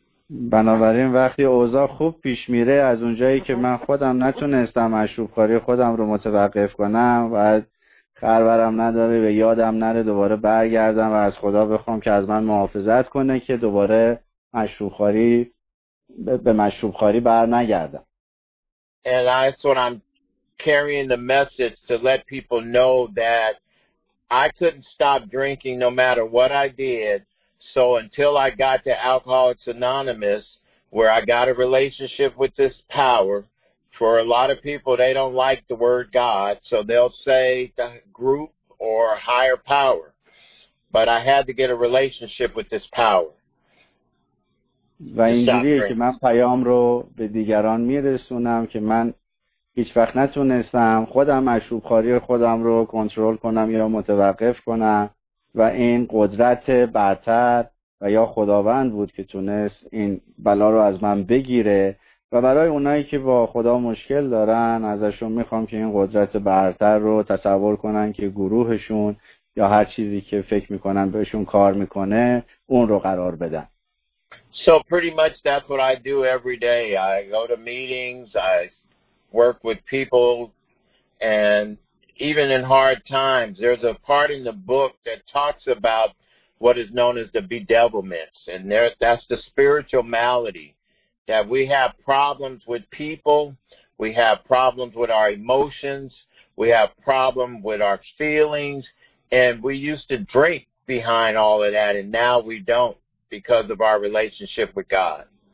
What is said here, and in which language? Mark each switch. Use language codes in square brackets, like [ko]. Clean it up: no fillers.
[fa] بنابراین وقتی اوضاع خوب پیش میره، از اونجایی که من خودم نتونستم مشروب‌خواری خودم رو متوقف کنم، بعد خبرم نداره و یادم نره دوباره برگردم و از خدا بخوام که از من محافظت کنه که دوباره مشروب‌خواری به مشروب‌خواری بر نگردم. [en] And that's what I'm carrying the message to let people know that I couldn't stop drinking no matter what I did. So until I got to Alcoholics Anonymous, where I got a relationship with this power, for a lot of people, they don't like the word God, so they'll say the group or higher power. But I had to get a relationship with this power. [fa] و اینجوریه که من پیام رو به دیگران میرسونم که من هیچ وقت نتونستم خودم مشروب‌خواری خودم رو کنترل کنم یا متوقف کنم. و این قدرت برتر و یا خداوند بود که تونست این بلا رو از من بگیره و برای اونایی که با خدا مشکل دارن ازشون میخوام که این قدرت برتر رو تصور کنن که گروهشون یا هر چیزی که فکر میکنن بهشون کار میکنه اون رو قرار بدن. [en] So pretty much that's what I do every day. I go to meetings, I work with people and even in hard times, there's a part in the book that talks about what is known as the bedevilments. And there, that's the spiritual malady, that we have problems with people, we have problems with our emotions, we have problems with our feelings, and we used to drink behind all of that, and now we don't because of our relationship with God.